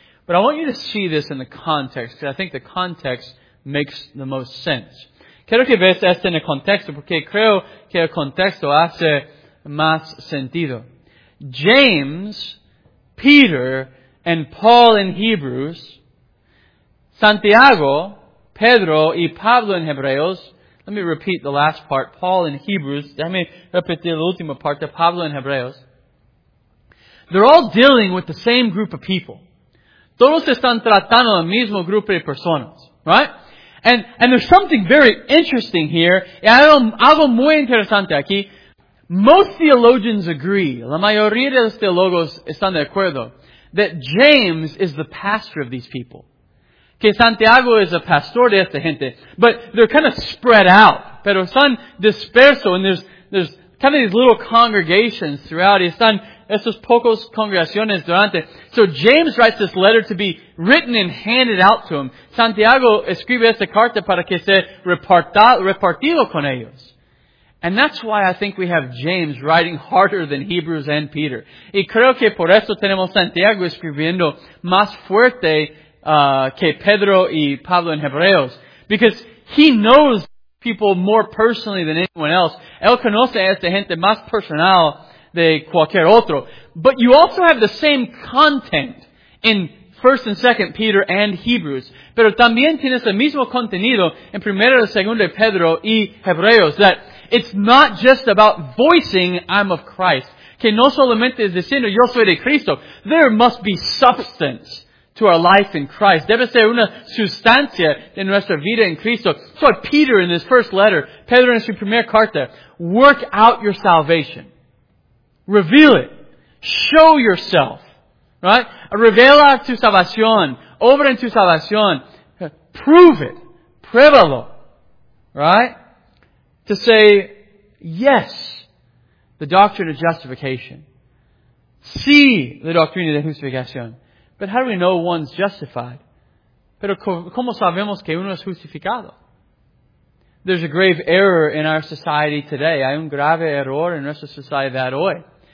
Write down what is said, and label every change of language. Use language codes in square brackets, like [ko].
[en] But I want you to see this in the context, because I think the context makes the most sense. [es] Quiero que veas esto en el contexto, porque creo que el contexto hace más sentido. [en] James, Peter, and Paul in Hebrews, [es] Santiago, Pedro, y Pablo en Hebreos. [en] Let me repeat the last part. Paul in Hebrews. [es] Déjame repetir la última parte. Pablo en Hebreos. [en] They're all dealing with the same group of people. [es] Todos están tratando el mismo grupo de personas. [en] Right? And there's something very interesting here. [es] Y hay algo muy interesante aquí. [en] Most theologians agree. [es] La mayoría de los teólogos están de acuerdo. [en] That James is the pastor of these people. [es] Que Santiago es el pastor de esta gente. [en] But they're kind of spread out. [es] Pero están dispersos. [en] And there's kind of these little congregations throughout. [es] Y están esos pocos congregaciones durante. [en] So James writes this letter to be written and handed out to him. [es] Santiago escribe esta carta para que sea repartido con ellos. [en] And that's why I think we have James writing harder than Hebrews and Peter. [es] Y creo que por eso tenemos Santiago escribiendo más fuerte que Pedro y Pablo en Hebreos. [en] Because he knows people more personally than anyone else. [es] Él conoce a esta gente más personal de cualquier otro. [en] But you also have the same content in 1 and 2 Peter and Hebrews. [es] Pero también tienes el mismo contenido en 1 y 2 Pedro y Hebreos. [en] That it's not just about voicing, I'm of Christ. [es] Que no solamente es diciendo, yo soy de Cristo. [en] There must be substance to our life in Christ. [es] Debe ser una sustancia de nuestra vida en Cristo. [en] So Peter in his first letter, [es] Pedro en su primera carta, [en] work out your salvation. Reveal it. Show yourself. Right? [es] Revela tu salvación. Obra en tu salvación. [en] Prove it. [es] Pruébalo. Right? [en] To say, yes, the doctrine of justification. See the doctrine [es] de justificación. [en] But how do we know one's justified? [es] Pero ¿cómo sabemos que uno es justificado? [en] There's a grave error in our society today. [es] Hay un grave error en nuestra sociedad hoy.